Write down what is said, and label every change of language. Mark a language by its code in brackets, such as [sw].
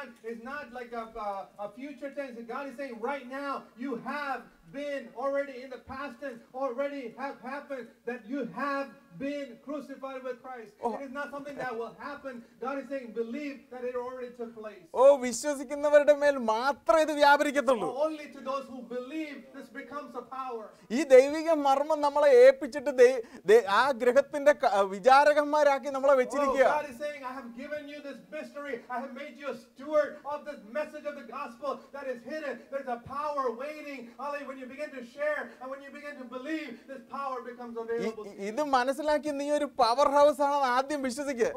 [en] It's not like a future tense. God is saying right now, you have been already in the past tense, already have happened, that you have been crucified with Christ. Oh. It is not something that will happen. God is saying, believe that it already took place. [ml] Oh, വിശ്വസിക്കുന്നവരുടെ മേൽ മാത്രമേ ഇത് വ്യാപരിക്കത്തുള്ളൂ. [en] Only to those who believe, this becomes a power. [ml] ഈ ദൈവിക മർമ്മം നമ്മളെ ഏൽപ്പിച്ചിട്ട് ആ ഗ്രഹത്തിന്റെ വിചാരകന്മാരാക്കി നമ്മളെ വെച്ചിരിക്കുക. [en] God is saying, I have given you this mystery. I have made you a steward of this message of the gospel that is hidden. There's a power waiting. Hallelujah. When you begin to share and when you begin to believe, this power becomes available. [ml] ഇത് മനസ്സിലാക്കി നീ ഒരു power house ആണ് ആദ്യം വിശ്വസിക്കുക.